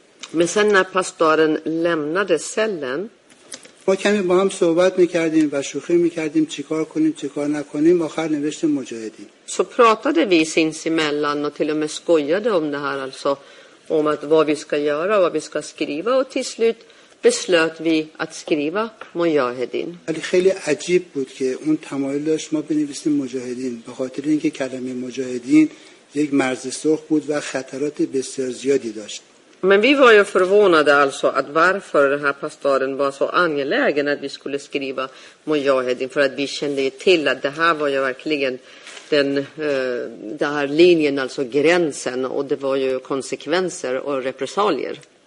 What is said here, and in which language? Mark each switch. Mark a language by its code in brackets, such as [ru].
[sv] Men sen när pastoren lämnade cellen. [fa] Ma کمی با هم صحبت میکردیم و شوخی میکردیم چیکار کنیم چیکار نکنیم آخر نوشت مجاهدین. [sv] Så pratade vi sinsemellan och till och med skojade om det här alltså om att vad vi ska göra och vad vi ska skriva och till slut beslöt vi att skriva mujahedin. [fa] ولی خیلی عجیب بود که اون تمایل داشت ما بنویسیم مجاهدین به خاطر اینکه کلمه مجاهدین یک مرز سرخ بود و خطرات بسیار زیادی داشت. [sv] Men vi var ju förvånade alltså att varför den här pastoren var så angelägen att vi skulle skriva mujahedin, för att vi kände ju till att det här var ju verkligen den här linjen, alltså gränsen, och det var ju konsekvenser och repressalier.